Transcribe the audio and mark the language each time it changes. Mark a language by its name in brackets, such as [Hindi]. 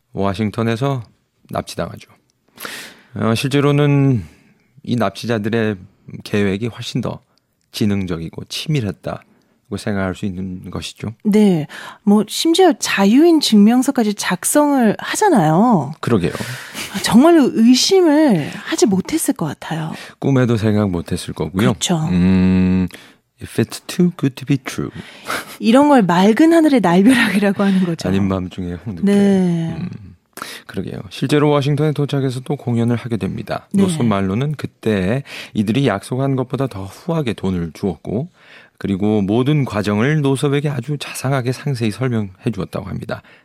[Korean] 워싱턴에서 납치당하죠. 실제로는 이 납치자들의 계획이 훨씬 더 지능적이고 치밀했다. 생각할 수 있는 것이죠. 네. 뭐 심지어 자유인 증명서까지 작성을 하잖아요. 그러게요. 정말로 의심을 하지 못했을 것 같아요. 꿈에도 생각 못했을 거고요. 그렇죠. [English] If it's too good to be true. [Korean] 이런 걸 맑은 하늘의 날벼락이라고 하는 거죠. 아닌 밤중에 홍두깨. 네. 그러게요. 실제로 워싱턴에 도착해서 또 공연을 하게 됩니다. 네. 노선 말로는 그때 이들이 약속한 것보다 더 후하게 돈을 주었고 그리고 모든 과정을 노섭에게 아주 자상하게 상세히 설명해 주었다고 합니다.